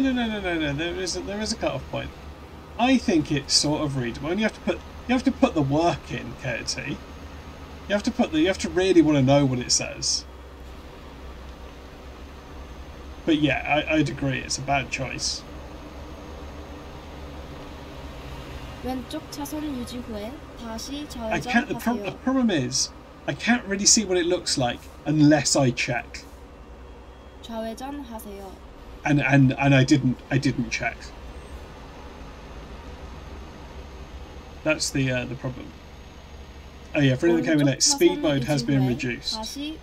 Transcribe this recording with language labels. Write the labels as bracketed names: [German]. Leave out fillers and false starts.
[English] There is a cutoff point. I think it's sort of readable. And you have to put the work in, KT. You have to really want to know what it says. But yeah, I'd agree, it's a bad choice. [Korean] 왼쪽 차선 유지 후에 다시 좌회전 하세요. [English] The problem is, I can't really see what it looks like unless I check. [Korean] 좌회전 하세요. [English] And I didn't check. That's the problem. Oh yeah, for anyone that came in late, speed mode has been reduced.